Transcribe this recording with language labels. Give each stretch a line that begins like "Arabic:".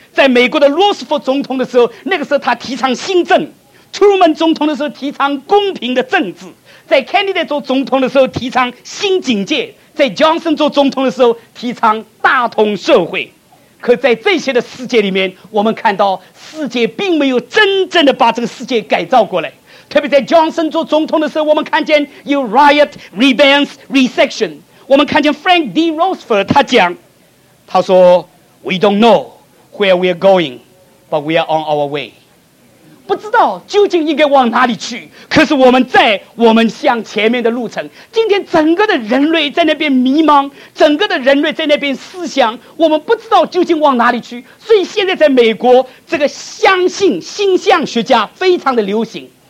Chinese: 在美国的罗斯福总统的时候，那个时候他提倡新政，特鲁门总统的时候提倡公平的政治，在 Kennedy 做总统的时候提倡新警戒，在 Johnson 做总统的时候提倡大同社会。可在这些的世界里面，我们看到世界并没有真正的把这个世界改造过来。特别在 Johnson 做总统的时候，我们看见有 riot, revenge, resection。我们看见 Frank D. Roosevelt 他讲，他说
English: We don't know where we are going, but we are on our way.
Chinese: 不知道究竟应该往哪里去，可是我们在我们向前面的路程。今天整个的人类在那边迷茫，整个的人类在那边思想，我们不知道究竟往哪里去。所以现在在美国，这个相信星象学家非常的流行。